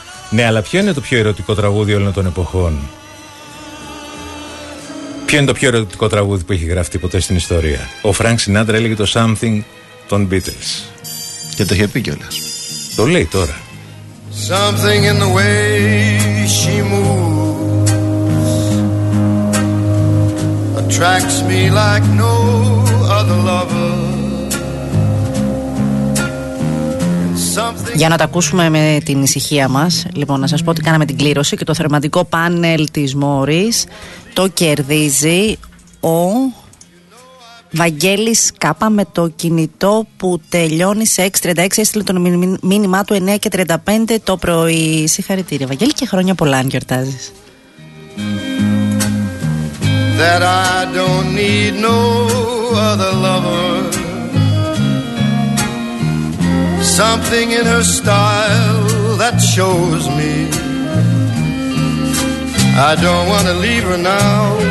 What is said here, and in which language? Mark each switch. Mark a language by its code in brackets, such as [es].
[el] Ναι, αλλά ποιο είναι το πιο ερωτικό τραγούδι όλων των εποχών? Ποιο είναι το πιο ερωτικό τραγούδι που έχει γραφτεί ποτέ στην ιστορία? Ο Φρανκ Σινάτρα έλεγε το Something των Beatles. Και το είχε πει κιόλας. Το λέει τώρα. [en] Something in the way she moves attracts me like no other lover. [el] Για να τα ακούσουμε με την ησυχία μας, λοιπόν, να σας πω ότι κάναμε την κλήρωση και το θερματικό πάνελ της Μόρης το κερδίζει ο Βαγγέλης Κάπα με το κινητό που τελειώνει σε 6.36. Έστειλε το μήνυμά του 9.35 το πρωί. Συγχαρητήρια, Βαγγέλη, και χρόνια πολλά αν γιορτάζεις. [en] That I don't need no other lover. Something in her style that shows me I don't want to leave her now.